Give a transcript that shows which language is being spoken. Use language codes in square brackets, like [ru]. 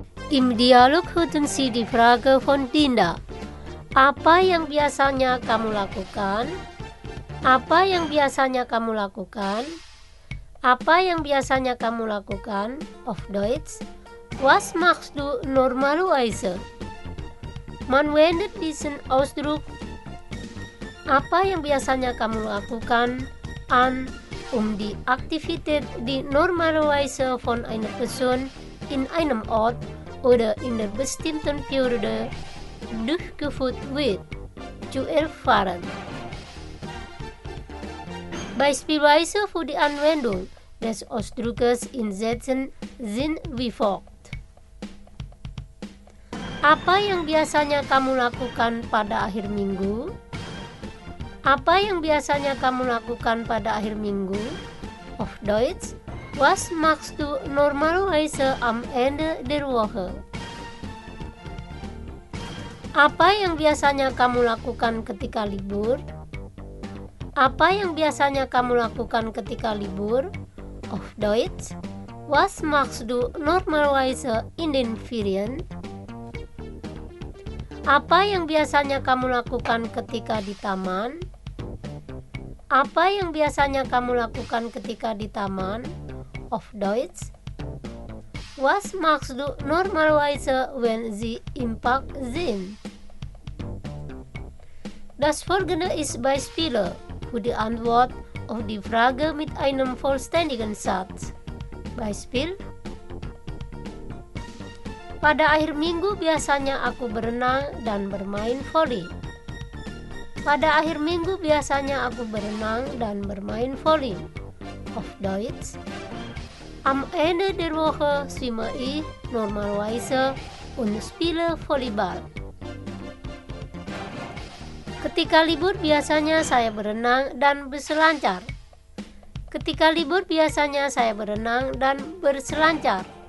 [de] Im Dialog hören Sie die Frage von Dinda. [id] Apa yang biasanya kamu lakukan? Apa yang biasanya kamu lakukan? Apa yang biasanya kamu lakukan? [de] Auf Deutsch, was machst du normalerweise? Man wendet diesen Ausdruck [id] apa yang biasanya kamu lakukan [de] an die Aktivität die normalerweise von einer Person in einem Ort oder in der bestimmten Periode durchgeführt wird, zu erfahren. Beispielsweise für die Anwendung des Ausdrucks in Sätzen sind wie folgt. [id] Apa yang biasanya kamu lakukan pada akhir minggu? Apa yang biasanya kamu lakukan pada akhir minggu? [de] Auf Deutsch, was machst du normalerweise am Ende der Woche? [id] Apa yang biasanya kamu lakukan ketika libur? Apa yang biasanya kamu lakukan ketika libur? [de] Auf Deutsch, was machst du normalerweise in den Ferien? [id] Apa yang biasanya kamu lakukan ketika di taman? Apa yang biasanya kamu lakukan ketika di taman? [de] Auf Deutsch, was machst du normalerweise wenn sie im Park sind? Das folgende ist Beispiele für die Antwort auf die Frage mit einem vollständigen Satz. [id] Beispiel: Pada akhir minggu biasanya aku berenang dan bermain voli. Pada akhir minggu biasanya aku berenang dan bermain voli. [de] Auf Deutsch: Am Ende der Woche schwimme ich normalerweise und spiele Volleyball. [id] Ketika libur biasanya saya berenang dan berselancar. Ketika libur biasanya saya berenang dan berselancar.